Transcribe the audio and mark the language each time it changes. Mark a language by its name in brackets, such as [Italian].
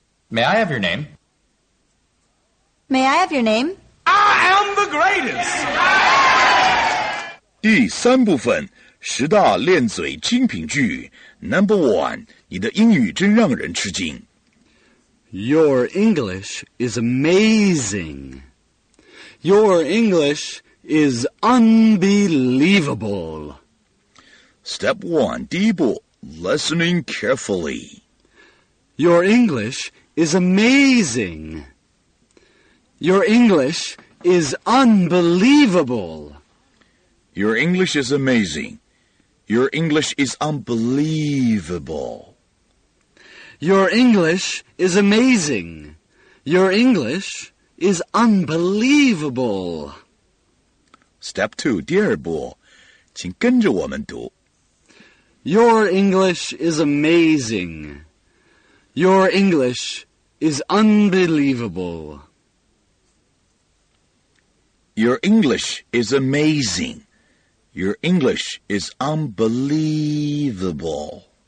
[English] May I have your name? May I have your name? I am the greatest! [Chinese] 第三部分，十大练嘴精品句 [English] Number one, [Chinese] 你的英语真让人吃惊。 [English] Your English is amazing. Your English is unbelievable. Step one, [Chinese] 第一步 [English] listening carefully. Your English is amazing. Your English is unbelievable. Your English is amazing. Your English is unbelievable. Your English is amazing. Your English is unbelievable. Step two, [Chinese] 第二步，请跟着我们读。 [English] Your English is amazing. Your English is unbelievable. Your English is amazing. Your English is unbelievable.